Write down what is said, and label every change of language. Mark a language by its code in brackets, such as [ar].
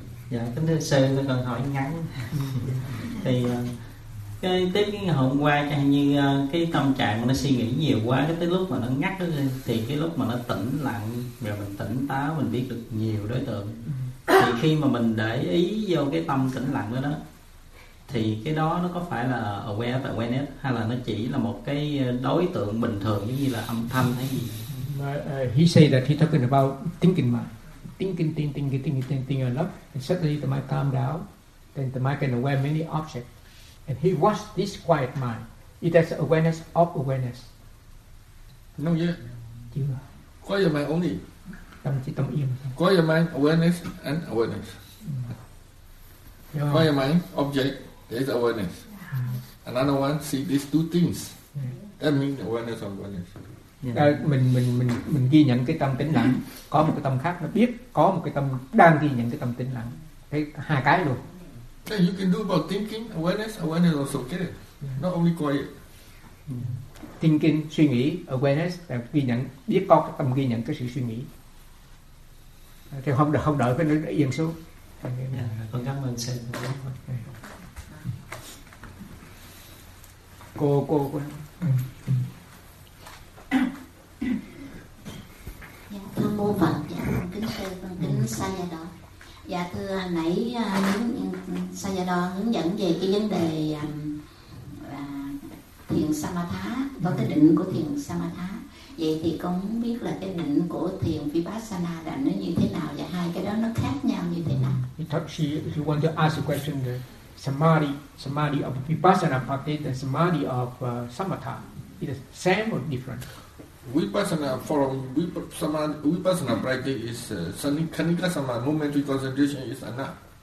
[vi] dạ kính thưa sư, tôi còn hỏi ngắn thì cái tiếp cái hôm qua chẳng như cái tâm trạng nó suy nghĩ nhiều quá, cái tới lúc mà nó ngắt đó, thì cái lúc mà nó tĩnh lặng rồi mình tỉnh táo mình biết được nhiều đối tượng, thì khi mà mình để ý vô cái tâm tĩnh lặng đó thì cái đó nó có phải là awareness hay là nó chỉ là một cái đối tượng bình thường giống như là âm thanh hay gì? [en] He say that he talking about thinking mind. Thinking a lot, and suddenly the mind calmed down, then the mind can aware many objects. And he was this quiet mind. It has awareness of awareness. No, yeah. [vi] Chưa. [en] Quiet mind only. [vi] Tâm chỉ tâm yên. [en] Quiet mind, awareness, and awareness. Yeah. Quiet mind, object, there is awareness. Yeah. Another one, see these two things. Yeah. That means awareness of awareness. Yeah. [vi] Mình ghi nhận cái tâm tĩnh lặng, có một cái tâm khác nó biết, có một cái tâm đang ghi nhận cái tâm tĩnh lặng, thấy hai cái luôn. [en] Yeah, you can do about thinking, awareness also, okay? Yeah. Not only quiet. Yeah. [vi] Thinking, suy nghĩ, awareness, là ghi nhận, biết có cái tâm ghi nhận cái sự suy nghĩ. Thì không đợi cái nó yên xuống. Con cảm ơn sư. Cô. Mô Phật, dạ, kính sư, kính Sayadaw. Dạ, thưa hồi nãy Sayadaw hướng dẫn về cái vấn đề thiền Samatha, có cái định của thiền Samatha. Vậy thì con muốn biết là cái định của thiền Vipassana là nó như thế nào và hai cái đó nó khác nhau như thế nào? [en] She want to ask a question, the Samadhi of Vipassana practice and Samadhi of Samatha, it is same or different? Vipassana practice is sannikanika samadhi, momentary concentration is enough.